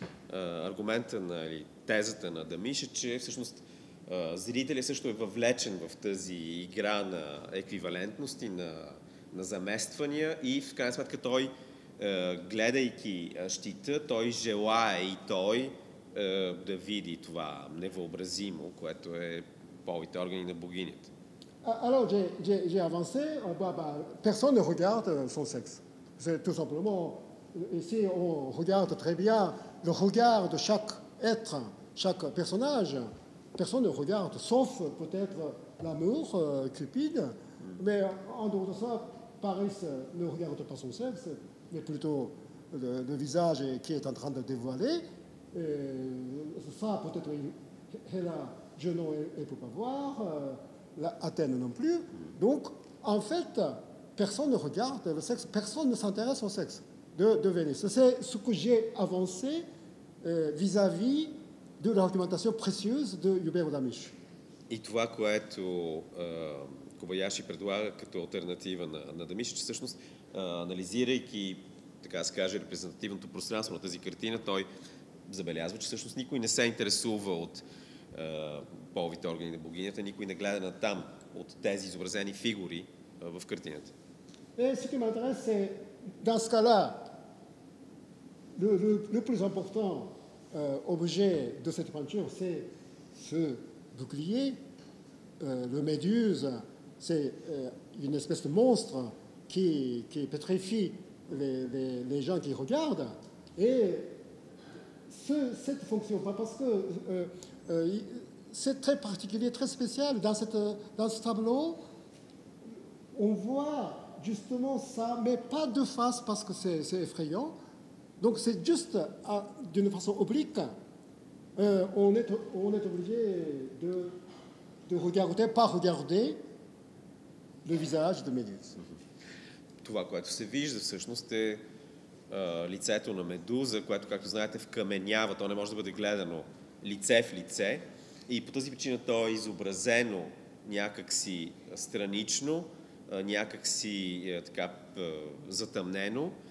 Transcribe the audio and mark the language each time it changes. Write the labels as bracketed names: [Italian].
[Bulgarian] Аргумента на тезата на Damisch е, че всъщност зрителят също е въвлечен в тази игра на еквивалентности, на замествания и в крайна сметка той, гледайки щита, той желая и той да види това невъобразимо, което е половите органи на богинята. [French] Alors j'ai avancé, personne ne regarde son sexe. C'est tout simplement, si on regarde très bien le regard de chaque être, chaque personnage, personne ne regarde, sauf peut-être l'amour, Cupid, mais en dehors de ça, Paris ne regarde pas son sexe, mais plutôt le visage qui est en train de dévoiler. Et ça, peut-être, Hélène, Junon, elle ne peut pas voir, Athènes non plus. Donc, en fait, personne ne regarde le sexe, personne ne s'intéresse au sexe de Vénus. C'est ce que j'ai avancé vis-à-vis de l'argumentation précieuse de Hubert Damisch. Et toi, quoi, tu. [Bulgarian] Кобаяши предлага като алтернатива на Дамиш, че всъщност анализирайки, така да се каже, репрезентативното пространство на тази картина, той забелязва, че всъщност никой не се интересува от половите органи на богинята, никой не гледа на там от тези изобразени фигури в картината. [French] Е, ce qui m'intéresse, c'est dans ce cas-là, le plus important objet de cette peinture, c'est ce bouclier, le méduse. C'est une espèce de monstre qui pétrifie les gens qui regardent. Et cette fonction, parce que c'est très particulier, très spécial, dans ce tableau, on voit justement ça, mais pas de face parce que c'est effrayant. Donc c'est juste d'une façon oblique, on est obligé de regarder, pas regarder. Le visage de Медуза. [Bulgarian] Това, което се вижда всъщност е лицето на Медуза, което, както знаете, вкаменява. То не може да бъде гледано лице в лице. И по тази причина то е изобразено някакси странично, някакси така затъмнено.